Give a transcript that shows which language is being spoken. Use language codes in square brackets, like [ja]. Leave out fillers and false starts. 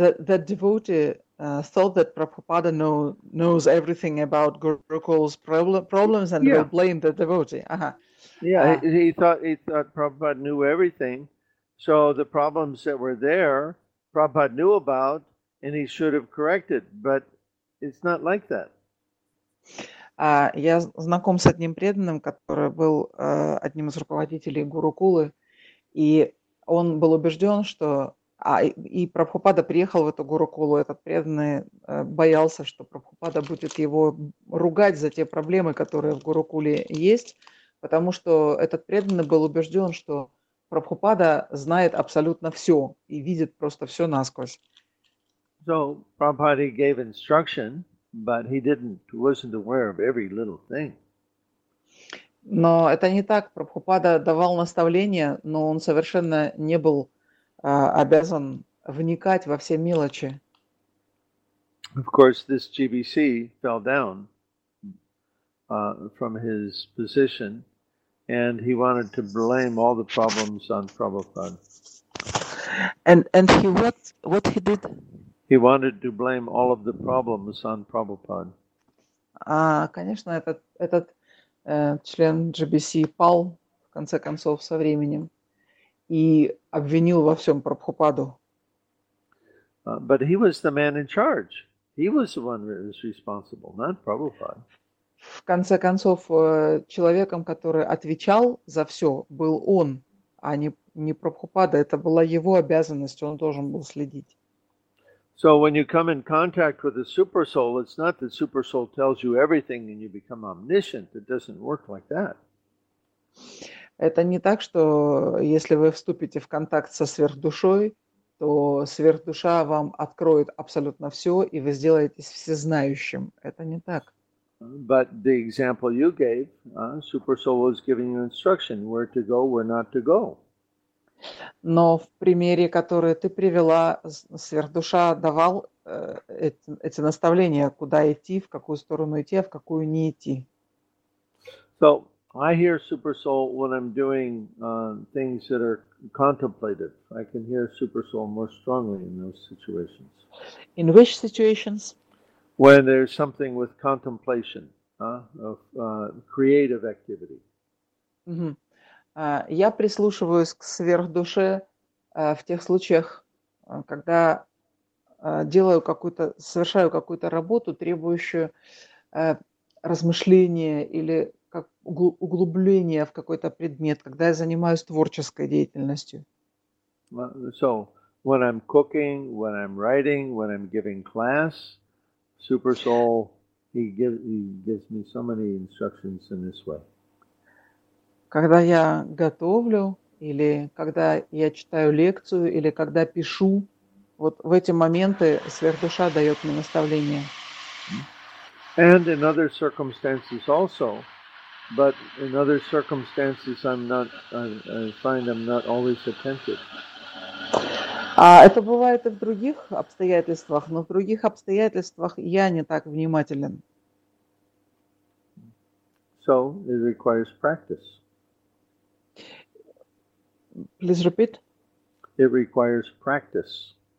[en] The devotee thought that Prabhupada knows everything about Gurukul's problems and will blame the devotee. He thought Prabhupada knew everything. So the problems that were there, Prabhupada knew about, and he should have corrected. But it's not like that. [ru] Я знаком с одним преданным, который был одним из руководителей Гурукулы, и он был убежден, что и Прабхупада приехал в эту Гурукулу, этот преданный боялся, что Прабхупада будет его ругать за те проблемы, которые в Гурукуле есть, потому что этот преданный был убежден, что Прабхупада знает абсолютно все и видит просто все насквозь. [en] So, Prabhupada gave instruction, but he wasn't aware of every little thing. [ru] Но это не так. Прабхупада давал наставления, но он совершенно не был обязан вникать во все мелочи. [en] Of course, this GBC fell down from his position. And he wanted to blame all the problems on Prabhupada. And he what he did? He wanted to blame all of the problems on Prabhupada. [ru] Конечно, этот член GBC пал в конце концов со временем и обвинил во всем Прабхупаду. [en] But he was the man in charge. He was the one that was responsible, not Prabhupada. [ru] В конце концов, человеком, который отвечал за все, был он, а не Прабхупада. Это была его обязанность, он должен был следить. [en] So when you come in contact with the super soul, it's not that the super soul tells you everything and you become omniscient. It doesn't work like that. [ru] Это не так, что если вы вступите в контакт со сверхдушой, то сверхдуша вам откроет абсолютно все, и вы сделаетесь всезнающим. Это не так. [en] But the example you gave, Super Soul was giving you instruction where to go, where not to go. [ru] Но в примере, который ты привела, сверхдуша давал эти наставления, куда идти, в какую сторону идти, а в какую не идти. [en] So I hear Super Soul when I'm doing things that are contemplative. I can hear Super Soul more strongly in those situations. In which situations? When there's something with contemplation, of creative activity. Mm-hmm. [ru] Я прислушиваюсь к сверхдуше в тех случаях, когда совершаю какую-то работу, требующую размышления или как углубления в какой-то предмет, когда я занимаюсь творческой деятельностью. [en] So, when I'm cooking, when I'm writing, when I'm giving class, Super Soul, he gives me so many instructions in this way. [ru] Когда я готовлю, или когда я читаю лекцию, или когда пишу, вот в эти моменты сверхдуша дает мне наставления. [en] And in other circumstances also, But in other circumstances, I find I'm not always attentive. [ru] Это бывает и в других обстоятельствах, но в других обстоятельствах я не так внимателен. [en] So it requires practice. Please repeat. It requires practice.